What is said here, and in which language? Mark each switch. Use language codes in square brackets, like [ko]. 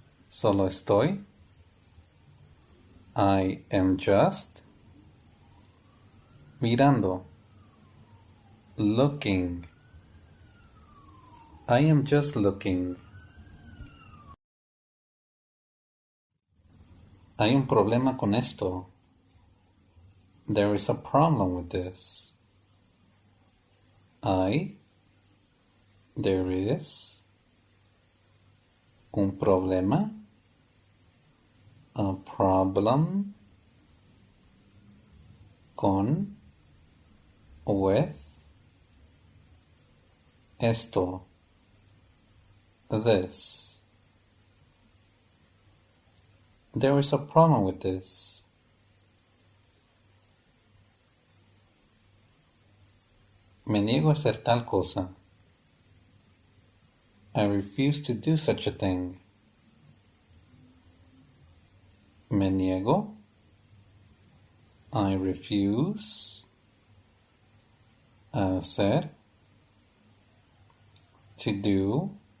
[es] Solo estoy. [en] I am just [es] mirando. [en] Looking. I am just looking. [es] Hay un problema con esto. [en] There is a problem with this. There is [es] un problema. [en] A problem [es] con [en] with [es] esto. [en] This. There is a problem with this. [es] Me niego a hacer tal cosa. [en] I refuse to do such a thing. [es] Me niego. [en] I refuse. [es] A hacer. [en] To do.